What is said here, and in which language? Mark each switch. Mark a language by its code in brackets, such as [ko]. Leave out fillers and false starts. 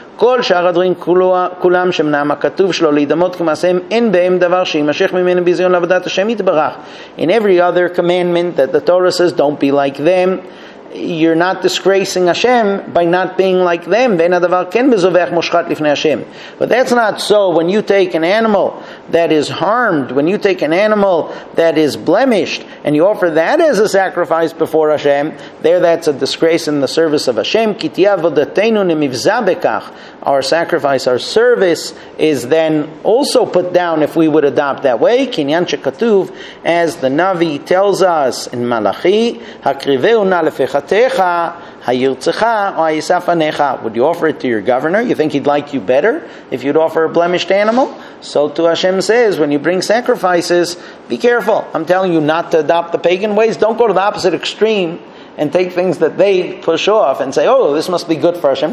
[he] כל שאר הדברים כולם שמנעם הכתוב שלו להידמות כמעשהם אין בהם דבר שימשך ממנו ביזיון לעבודת השם יתברך. [en] In every other commandment that the Torah says don't be like them, you're not disgracing Hashem by not being like them. [he] ואין הדבר כן מזובח מושחת לפני השם. [en] But that's not so when you take an animal that is harmed, when you take an animal that is blemished, and you offer that as a sacrifice before Hashem, there that's a disgrace in the service of Hashem. [he] כי תהיה עבודתנו נמבזה בכך. [en] Our sacrifice, our service, is then also put down if we would adopt that way. [he] כעניין שכתוב, [en] as the Navi tells us in Malachi, [he] הקריבהו נא לפחתך, הירצך או היסף ענך. [en] Would you offer it to your governor? You think he'd like you better if you'd offer a blemished animal? So to Hashem says, when you bring sacrifices, be careful. I'm telling you not to adopt the pagan ways. Don't go to the opposite extreme and take things that they push off and say, oh, this must be good for Hashem.